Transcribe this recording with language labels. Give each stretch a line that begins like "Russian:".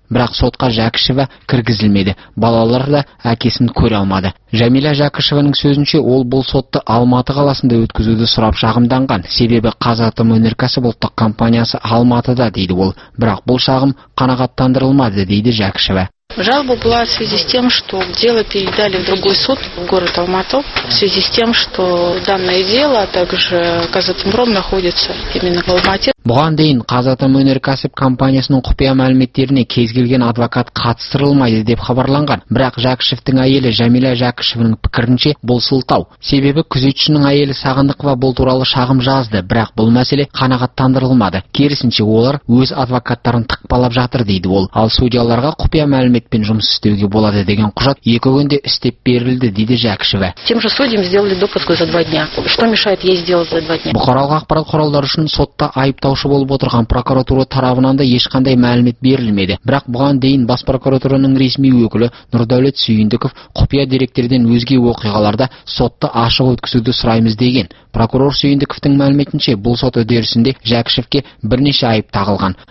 Kazakh: Бірақ сотқа Жәкішева кіргізілмеді. Балалар да әкесін көре алмады. Жәмилә Жәкішеваның сөзінше, ол бұл сотты Алматы қаласында өткізуді сұрап шағымданған. Себебі Қазатомөнеркәсіп ұлттық компаниясы Алматыда, дейді ол. Бірақ бұл шағым қанағаттандырылмады, дейді Жәкішева.
Russian: Жалоба была в связи с тем, что дело передали в другой суд, в город Алматы, в связи с тем, что данное дело, а также Казатомпром находится именно в Алмате.
Kazakh: Бұған дейін Қазатомөнеркәсіп компаниясының құпия мәліметтеріне кез келген адвокат қатыстырылмайды деп хабарланған. Бірақ Жәкішевтің әйелі Жәмилә Жәкішевінің пікірінше бұл сылтау. Себебі күзетшінің әйелі Сағындықова бұл туралы шағым жазды, бірақ бұл мәселе қанағаттандырылмады. Керісінше, олар өз адвокаттарын тықпалап жатыр, дейді ол. Ал судьяларға құпия мәліметпен жұмыс істеуге болады деген құжат екі күнде істеп берілді, дейді Жәкішева.
Russian: Тем же судьям сделали допуск за 2 дня. Что мешает ей сделать за 2 дня?
Kazakh: Бұқаралық ақпарат құралдары үшін сотта айып таушы болып отырған прокуратура тарапынан да ешқандай мәлімет берілмеді. Бірақ бұған дейін бас прокуратураның ресми өкілі Нұрдәулет Сүйіндіков құпия деректерден өзге оқиғаларда сотты ашық өткізуді сұраймыз деген. Прокурор Сүйіндіковтің мәліметінше, бұл сот үдерісінде Жәкішевке бірнеше айып тағылған.